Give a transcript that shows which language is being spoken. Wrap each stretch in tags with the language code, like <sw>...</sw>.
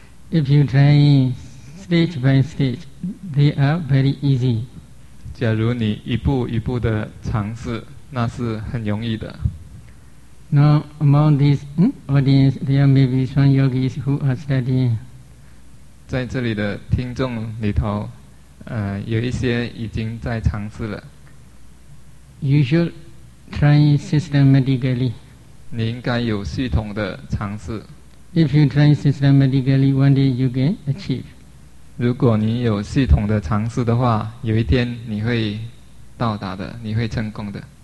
<en>If you try stage by stage, they are very easy.</en> <zh>假如你一步一步的尝试，那是很容易的。</zh> <en>Now among this audience, there may be some yogis who are studying.</en> <zh>在这里的听众里头，有一些已经在尝试了。</zh> <en>You should try systematically.</en> <zh>你应该有系统的尝试。</zh> <en>If you try systematically, one day you can achieve.</en> <zh>如果你有系统的尝试的话，有一天你会到达的，你会成功的。</zh>